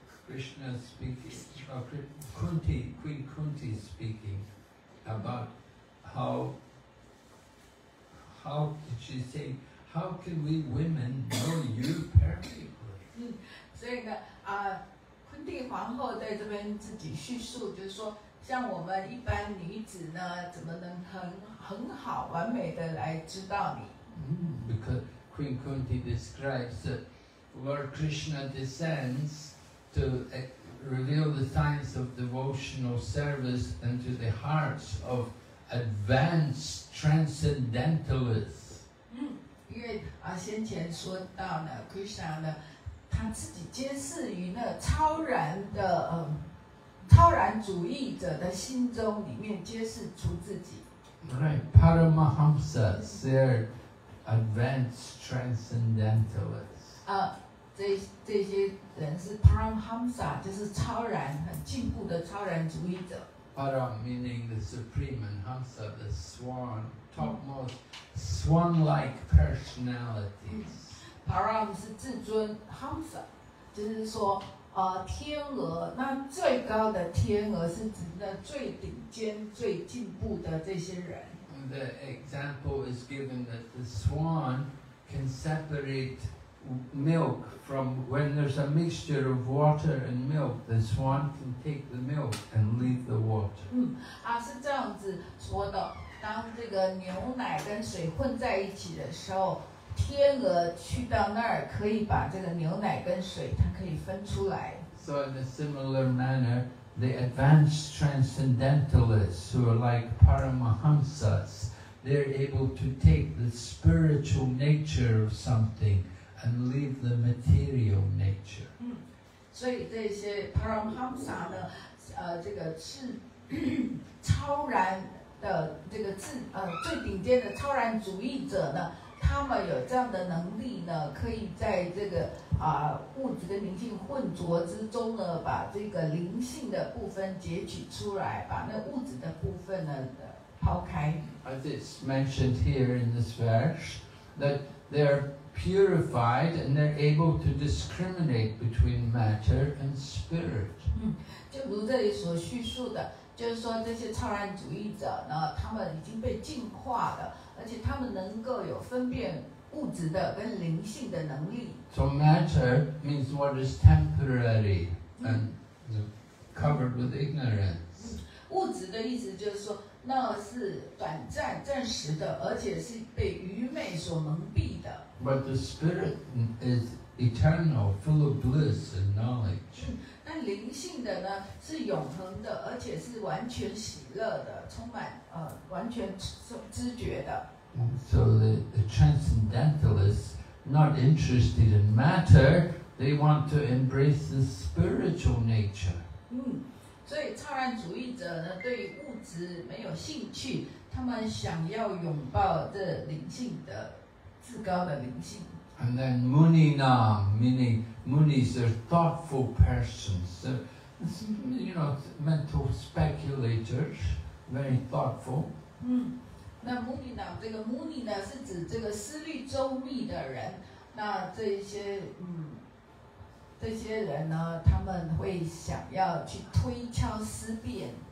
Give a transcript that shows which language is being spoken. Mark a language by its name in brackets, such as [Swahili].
[English] Krishna speaking, Kunti, Queen Kunti speaking about how did she say, how can we women know you perfectly? [Chinese] 所以呢，昆蒂皇后在这边自己叙述，就是说，像我们一般女子呢，怎么能很好完美的来知道你？ [English] Because Queen Kunti describes that Lord Krishna descends. To reveal the science of devotional service into the hearts of advanced transcendentalists. [Chinese] 嗯，因为先前说到呢 ，Krishna 呢，他自己揭示于那超然的超然主义者的心中里面揭示出自己。 [English] Right, Paramahamsa, they're advanced transcendentalists. [Chinese] 这些人是 Paramhamsa， 就是超然、很进步的超然主义者。 [English] Param meaning the supreme, and Hamsa the swan, topmost swan-like personalities. [Chinese] Param 是至尊 ，Hamsa 就是说天鹅。那最高的天鹅是指那最顶尖、最进步的这些人。 [English] The example is given that the swan can separate. Milk from when there's a mixture of water and milk, the swan can take the milk and leave the water. [Chinese] 是这样子说的。当这个牛奶跟水混在一起的时候，天鹅去到那儿可以把这个牛奶跟水，它可以分出来。 [English] So in a similar manner, the advanced transcendentalists who are like Paramahamsas, they're able to take the spiritual nature of something. And leave the material nature. [Chinese] 所以这些 Paramhamsa 呢，这个是超然的这个最顶尖的超然主义者呢，他们有这样的能力呢，可以在这个物质跟灵性混浊之中呢，把这个灵性的部分截取出来，把那物质的部分呢抛开。 [English] As it's mentioned here in this verse, that they're purified and they're able to discriminate between matter and spirit. [Chinese] 就如这里所叙述的，就是说这些超然主义者呢，他们已经被净化了。而且他们能够有分辨物质的跟灵性的能力。 [English] So matter means what is temporary and covered with ignorance. [Chinese] 物质的意思就是说，那是短暂、暂时的，而且是被愚昧所蒙蔽的。 [English] But the spirit is eternal, full of bliss and knowledge. [Chinese] 但灵性的呢，是永恒的，而且是完全喜乐的，充满完全知觉的。 [English] So the transcendentalists not interested in matter, they want to embrace the spiritual nature. [Chinese] 所以超然主义者呢，对物质没有兴趣，他们想要拥抱这灵性的至高的灵性。 [English] And then Muninam, meaning Munis are thoughtful persons, you know, mental speculators, very thoughtful. [Chinese] 那 Muninam, 这个 Muni 呢是指这个思虑周密的人。那这些人呢，他们会想要去推敲思辨。